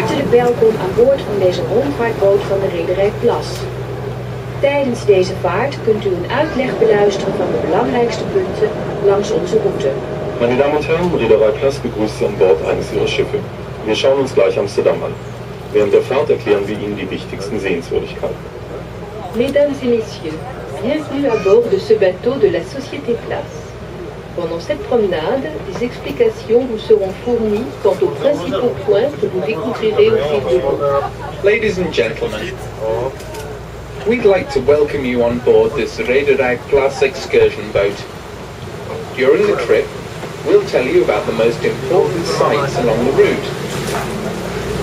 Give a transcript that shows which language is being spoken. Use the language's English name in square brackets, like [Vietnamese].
[Dutch] Welkom aan boord van deze rondvaartboot van de rederij Plas. Tijdens deze vaart kunt u een uitleg beluisteren van de belangrijkste punten langs onze route. [German] Meine Damen und Herren, Reederei Plas begrüßt Sie an Bord eines Ihrer Schiffe. Wir schauen uns gleich Amsterdam an. Während der Fahrt erklären wir Ihnen die wichtigsten Sehenswürdigkeiten. [French] Mesdames et Messieurs, bienvenue à bord de ce bateau de la Société Plas. Pendant cette promenade, des explications vous seront fournies quant aux principaux points que vous découvrirez au fil de vous. [English] Ladies and gentlemen, we'd like to welcome you on board this Reederei Plas excursion boat. During the trip, we'll tell you about the most important sites along the route.